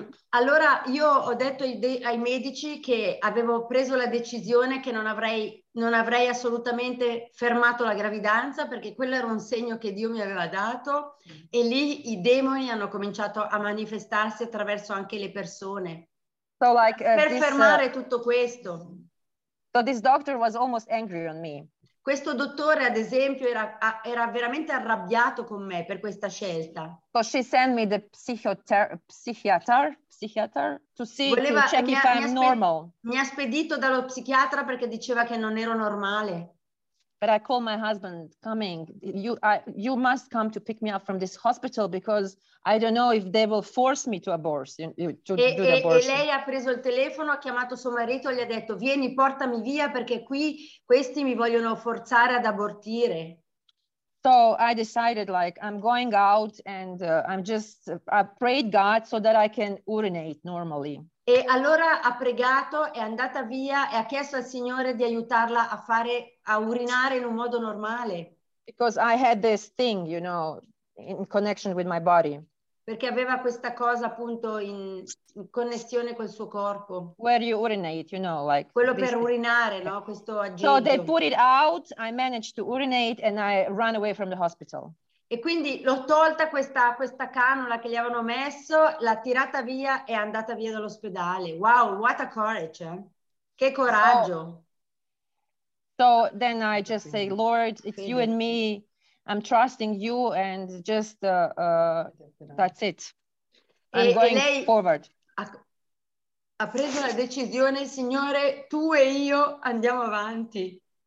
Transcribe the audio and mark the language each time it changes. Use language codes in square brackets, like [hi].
[it] allora io ho detto ai medici che avevo preso la decisione che non avrei assolutamente fermato la gravidanza perché quello era un segno che Dio mi aveva dato. E lì i demoni hanno cominciato a manifestarsi attraverso anche le persone. [en] So like, [it] per fermare tutto questo. [en] So this doctor was almost angry on me. [it] Questo dottore, ad esempio, era veramente arrabbiato con me per questa scelta. [en] So she sent me the psychiatrist to see to check if I'm normal. [it] Mi ha spedito dallo psichiatra perché diceva che non ero normale. [en] But I called my husband, coming. You must come to pick me up from this hospital because I don't know if they will force me to abort. [it] E lei ha preso il telefono, ha chiamato suo marito, gli ha detto vieni, portami via perché qui questi mi vogliono forzare ad abortire. [en] So I decided like I'm going out and I prayed God so that I can urinate normally. [it] E allora ha pregato, è andata via e ha chiesto al Signore di aiutarla a urinare in un modo normale. [en] Because I had this thing, you know, in connection with my body. [it] Perché aveva questa cosa appunto in connessione col suo corpo. [en] Where you urinate, you know, like. [it] Quello per urinare, no? Questo aggeggio. [en] So they put it out, I managed to urinate and I ran away from the hospital. [it] E quindi l'ho tolta questa canula che gli avevano messo, l'ha tirata via e è andata via dall'ospedale. [en] Wow, what a courage, eh? [it] Che coraggio. [en] So then I just say, Lord, it's you and me, I'm trusting you and just that's it. I'm going forward. [it] Ha preso la decisione, Signore, tu e io andiamo avanti.